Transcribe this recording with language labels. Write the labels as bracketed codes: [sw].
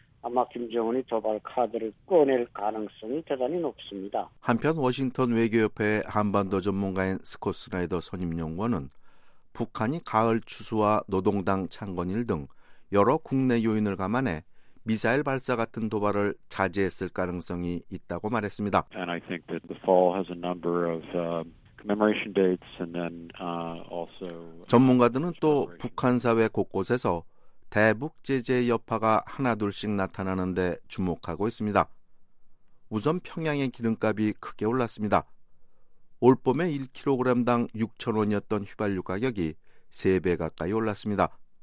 [ko] 아마 김정은이 도발 카드를 꺼낼 가능성이 대단히 높습니다. 한편 워싱턴 외교협회 한반도 전문가인 스콧 스나이더 선임연구원은 북한이 가을 추수와 노동당 창건일 등 여러 국내 요인을 감안해 미사일 발사 같은 도발을 자제했을 가능성이 있다고 말했습니다. [en] And I think that the fall has a number of commemoration dates and then also [ko] 전문가들은 또 북한 사회 곳곳에서 대북 제재 여파가 하나둘씩 나타나는 데 주목하고 있습니다. 우선 평양의 기름값이 크게 올랐습니다. 올봄에 1kg당 6,000원이었던 휘발유 가격이 3배 가까이 올랐습니다.